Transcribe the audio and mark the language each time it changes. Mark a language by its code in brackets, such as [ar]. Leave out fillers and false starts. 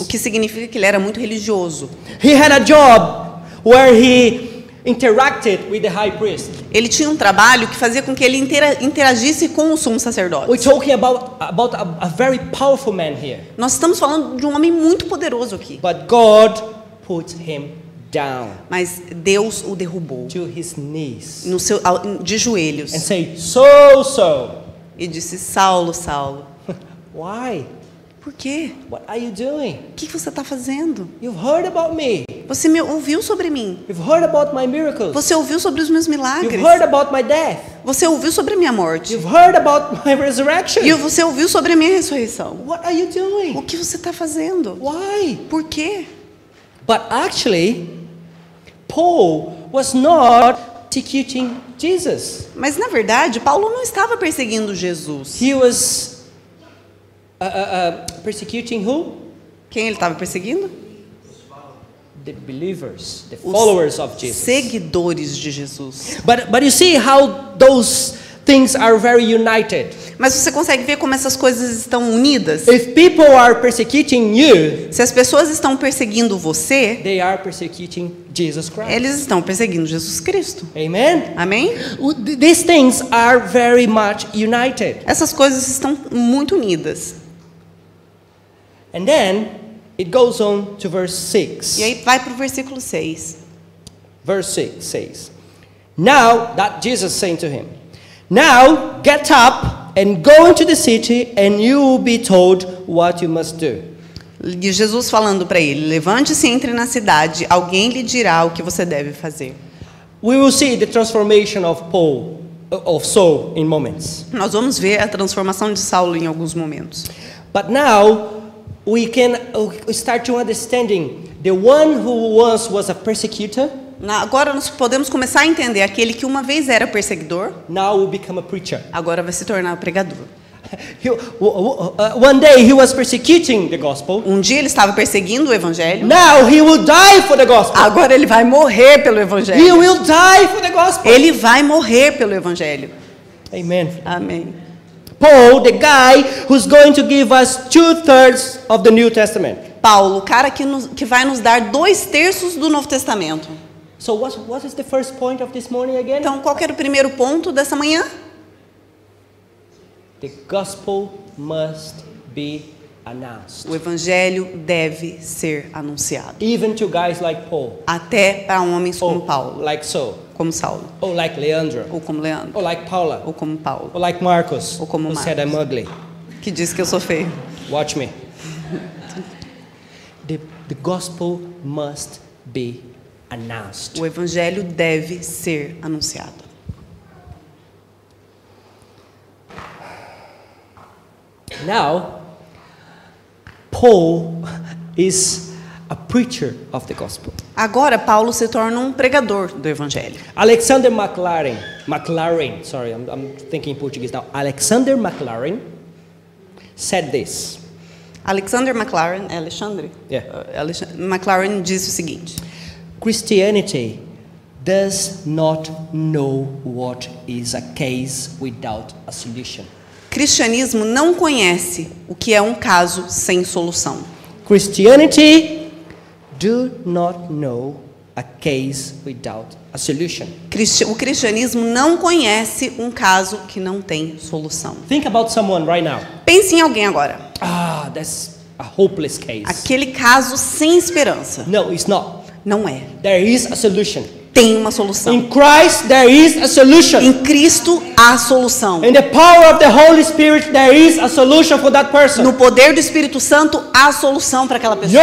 [pt] O que significa que ele era muito religioso. [en] He had a job where he interacted with the high priest. [pt] Ele tinha um trabalho que fazia com que ele interagisse com o sumo sacerdote. [en] We're talking about a very powerful man here. [pt] Nós estamos falando de um homem muito poderoso aqui. [en] But God put him down. [pt] Mas Deus o derrubou. [en] To his knees. [pt] No seu, de joelhos. [en] And say, so. [pt] E disse, Saulo, Saulo. [en] Why? [pt] Por quê? [en] What are you doing? [pt] O que você está fazendo? [en] You've heard about me. [pt] Você me ouviu sobre mim. [en] You've heard about my miracles. [pt] Você ouviu sobre os meus milagres. [en] You've heard about my death. [pt] Você ouviu sobre a minha morte. [en] You've heard about my resurrection. [pt] E você ouviu sobre a minha ressurreição. [en] What are you doing? [pt] O que você está fazendo? [en] Why? [pt] Por quê? [en] But actually, Paul was not persecuting Jesus. [pt] Mas na verdade, Paulo não estava perseguindo Jesus. [en] He was persecuting who? [pt] Quem ele estava perseguindo? [en] The believers, the followers of Jesus. [pt] Os seguidores de Jesus. [en] But you see how those things are very united. [pt] Mas você consegue ver como essas coisas estão unidas? [en] If people are persecuting you, [pt] se as pessoas estão perseguindo você, [en] they are persecuting Jesus Christ. [pt] Eles estão perseguindo Jesus Cristo. [en] Amen. [pt] Amém? [en] These things are very much united. [pt] Essas coisas estão muito unidas. [en] And then it goes on to verse 6. [pt] E aí vai pro versículo 6. [en] Verse 6 says, Now, that Jesus saying to him, now get up and go into the city and you will be told what you must do. [pt] E Jesus falando para ele, levante-se e entre na cidade, alguém lhe dirá o que você deve fazer. [en] We will see the transformation of Paul, of Saul in moments. [pt] Nós vamos ver a transformação de Saulo em alguns momentos. [en] But now we can start to understanding the one who once was a persecutor. [pt] Agora nós podemos começar a entender aquele que uma vez era perseguidor. [en] Now will become a preacher. [pt] Agora vai se tornar um pregador. [en] One day he was persecuting the gospel. [pt] Um dia ele estava perseguindo o evangelho. [en] Now he will die for the gospel. [pt] Agora ele vai morrer pelo evangelho. [en] He will die for the gospel. [pt] Ele vai morrer pelo evangelho. [en] Amen. [pt] Amém. [en] Paul, the guy who's going to give us 2/3 of the New Testament. [pt] Paulo, o cara que vai nos dar 2/3 do Novo Testamento. [en] So what is the first point of this morning again? [pt] Então qual era o primeiro ponto dessa manhã? [en] The gospel must be announced. [pt] O evangelho deve ser anunciado. [en] Even to guys like Paul. [pt] Até para homens como Paulo. [en] Like Saul. [pt] Como Saulo. [en] Or like Leandro. [pt] Ou como Leandro. [en] Or like Paula. [pt] Ou como Paulo. [en] Or like Marcos. [pt] Ou como Marcos. [en] Who said I'm ugly. [pt] Que diz que eu sou feio. [en] Watch me. The gospel must be announced. [pt] O evangelho deve ser anunciado. [en] Now, Paul is a preacher of the gospel. [pt] Agora Paulo se torna um pregador do evangelho. [en] Alexander McLaren, sorry, I'm thinking Portuguese now. Alexander McLaren said this. [pt] Alexander McLaren diz o seguinte. [en] Christianity does not know what is a case without a solution. [pt] Cristianismo não conhece o que é um caso sem solução. [en] Christianity do not know a case without a solution. [pt] O cristianismo não conhece um caso que não tem solução. [en] Think about someone right now. [pt] Pense em alguém agora. [en] Ah, that's a hopeless case. [pt] Aquele caso sem esperança. [en] No, it's not. [pt] Não é. [en] There is a solution. [pt] Tem uma solução. [en] In Christ there is a solution. [pt] Em Cristo há solução. [en] In the power of the Holy Spirit there is a solution for that person. [pt] No poder do Espírito Santo há solução para aquela pessoa.